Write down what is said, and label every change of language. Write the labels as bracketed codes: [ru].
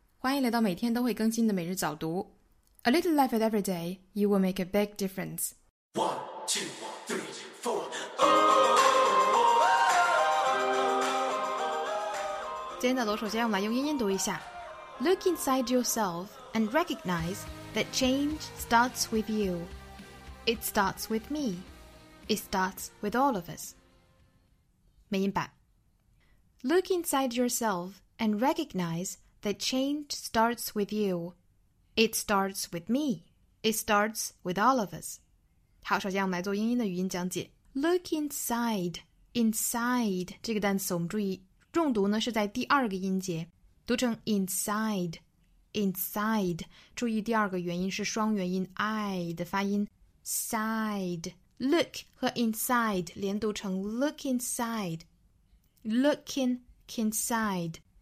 [zh] 欢迎来到每天都会更新的每日早读。 [en] A little life at every day, you will make a big difference. 1, 2, 3, 4. [zh] 今天早读，首先我们来用英音读一下。 [en] Look inside yourself and recognize that change starts with you. It starts with me. It starts with all of us. [zh] 美音版。 [en] Look inside yourself. And recognize that change starts with you. It starts with me. It starts with all of us. [zh] 好，首先我们来做英音的语音讲解。 [en] Look inside, [zh] inside 这个单词，我们注意重读呢是在第二个音节，读成 inside, inside. 注意第二个元音是双元音 I 的发音。Side, look 和 inside 连读成 [en] look inside, looking inside.